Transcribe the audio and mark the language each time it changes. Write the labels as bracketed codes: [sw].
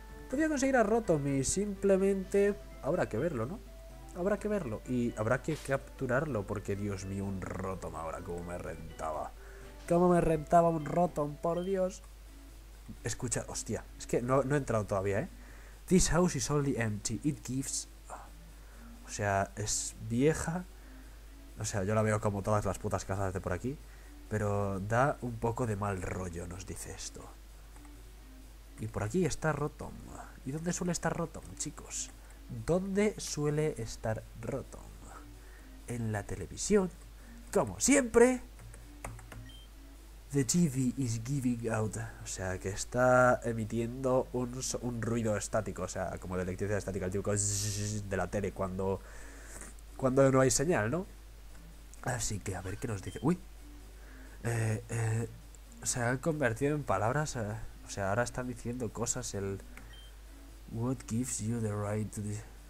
[es] Podía conseguir a Rotom y simplemente, habrá que verlo, ¿no? Habrá que verlo y habrá que capturarlo porque, Dios mío, un Rotom ahora, como me rentaba. ¿Cómo me rentaba un Rotom, por Dios? Escucha, hostia, es que no he entrado todavía, ¿eh? [en] This house is only empty, it gives... [es] O sea, es vieja. O sea, yo la veo como todas las putas casas de por aquí. Pero da un poco de mal rollo, nos dice esto. Y por aquí está Rotom. ¿Y dónde suele estar Rotom, chicos? ¿Dónde suele estar Rotom? En la televisión. Como siempre. [en] The TV is giving out. [es] O sea, que está emitiendo un ruido estático. O sea, como de electricidad estática. El tipo de la tele cuando no hay señal, ¿no? Así que a ver qué nos dice. Uy. Se han convertido en palabras. O sea, ahora están diciendo cosas el... [en] What gives you the right to this?